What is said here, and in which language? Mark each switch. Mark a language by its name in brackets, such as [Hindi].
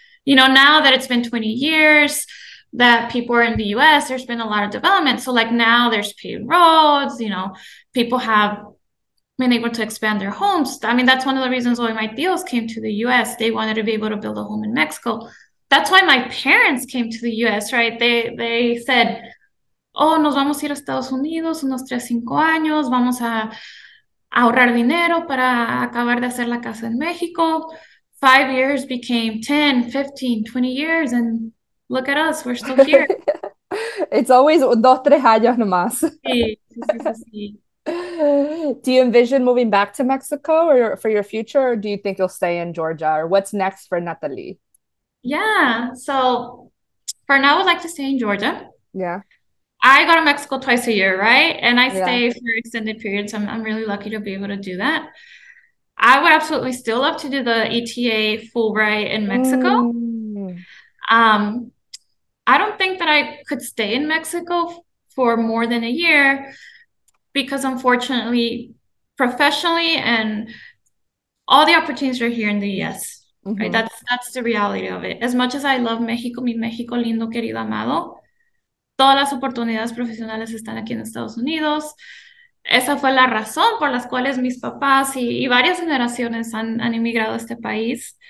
[English] You know, now that it's been 20 years that people are in the US, there's been a lot of development. So like now there's paved roads, you know, people have been able to expand their homes. I mean, that's one of the reasons why my tios came to the US. They wanted to be able to build a home in Mexico. That's why my parents came to the US, right? They said, [Spanish] Oh, nos vamos a ir a Estados Unidos unos 3, 5 años, vamos a ahorrar dinero para acabar de hacer la casa en México. [English] 5 years became 10, 15, 20 years, and look at us, we're still here. It's always 2, 3 [Spanish] años nomás. Sí. [English] Do you envision moving back to Mexico or for your future, or do you think you'll stay in Georgia, or what's next for Natalie? Yeah, so for now, I would like to stay in Georgia. Yeah. I go to Mexico twice a year, right? And I Yeah. stay for extended periods. I'm really lucky to be able to do that. I would absolutely still love to do the ETA Fulbright in Mexico. I don't think that I could stay in Mexico for more than a year because, unfortunately, professionally and all the opportunities are here in the US, right? That's the reality of it. As much as I love Mexico, [Spanish] mi Mexico lindo, querido, amado. Todas las oportunidades profesionales están aquí en Estados Unidos. Esa fue la razón por las cuales mis papás y varias generaciones han emigrado a este país.